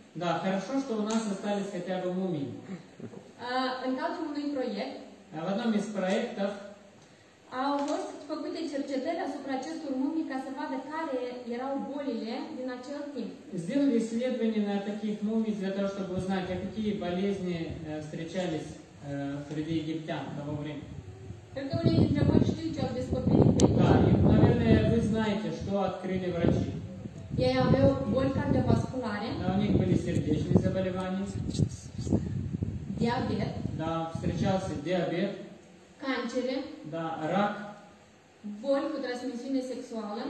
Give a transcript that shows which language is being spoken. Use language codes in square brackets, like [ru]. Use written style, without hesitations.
[ru] Да, хорошо, что у нас остались хотя бы мумии. [ro] În cadrul unui proiect, [ru] в одном из проектов, [ro] au fost făcute cercetări asupra acestor mumii ca să vadă care erau bolile din acel timp. [ru] Сделали исследования на таких мумий для того, чтобы узнать, какие болезни встречались среди египтян того времени. [ro] Cred că unii dintre voi știu ce au descoperit. [ru] Da, и, наверное, вы знаете, что открыли врачи. [ro] Ei aveau boli cardiovasculare. [ru] Да, у них были сердечные заболевания. Диабет. Да, встречался диабет. [ro] Cancere. [ru] Да, рак. [ro] Боль по трансмиссии сексуала.